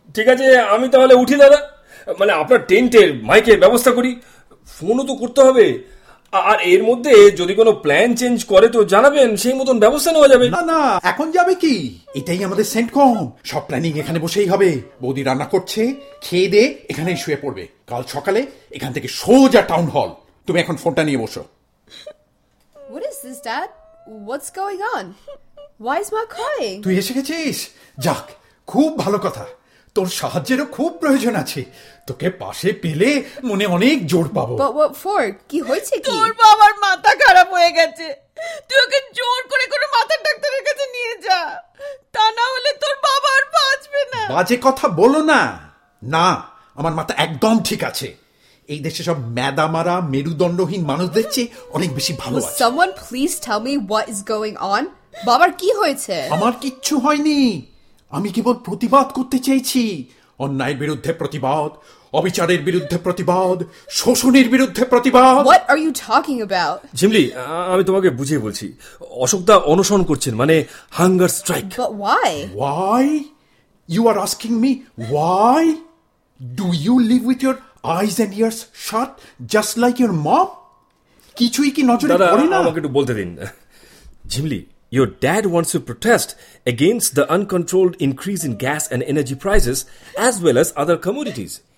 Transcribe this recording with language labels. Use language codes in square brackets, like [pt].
[bn] ঠিক আছে, আমি তাহলে উঠি দাদা, মানে আপনার টেন্টের মাইকের ব্যবস্থা করি, ফোনও তো করতে হবে, আর এর মধ্যে যদি কোনো প্ল্যান চেঞ্জ করে তো জানাবেন, সেই মতন ব্যবস্থা নেওয়া যাবে। না না, এখন যাবে কি, এটাই আমাদের সেন্ট কম, সব প্ল্যানিং এখানে বসেই হবে, বৌদি রান্না করছে, খেয়ে দে এখানে শুয়ে পড়বে, কাল সকালে এখান থেকে সোজা টাউন হল। তুমি এখন ফোনটা নিয়ে বসো। [en] What is this, Dad? What's going on? Why is my crying? [bn] তুই এসে গেছিস? যাক, খুব ভালো কথা। তোর সাহায্যের খুব প্রয়োজন আছে। তোকে পাশে পেলে মনে অনেক জোর পাবো। [en] But what for? [bn] কি হয়েছে কি? তোর বাবার মাথা খারাপ হয়ে গেছে। তুই ওকে জোর করে কোনো মাথার ডাক্তারের কাছে নিয়ে যা। তা না হলে তোর বাবা আর বাঁচবে না। বাজে কথা বলো না। না, আমার মাথা একদম ঠিক আছে। এই দেশে সব ম্যাদা মারা মেরুদণ্ডহীন মানুষদের চেয়ে অনেক বেশি ভালো আছে। [en] Someone please tell me what is going on? [bn] বাবার কি হয়েছে? আমার কিচ্ছু হয়নি। আমি কেবল প্রতিবাদ করতে চাইছি। অন্যায়ের বিরুদ্ধে প্রতিবাদ, অবিচারের বিরুদ্ধে প্রতিবাদ, শোষণের বিরুদ্ধে প্রতিবাদ। [en] What are you talking about? [bn] Jimli, আমি তোমাকে বুঝিয়ে বলছি। অশোকদা অনশন করছেন, মানে hunger strike. [en] But why? Why? You are asking me why? Do you live with your eyes and ears shut just like your mom? [bn] কিছুই কি নজরে পড়ে না? দাদা, আমাকে একটু বলতে দিন। [en] Jimli, your dad wants to protest against the uncontrolled increase in gas and energy prices as well as other commodities.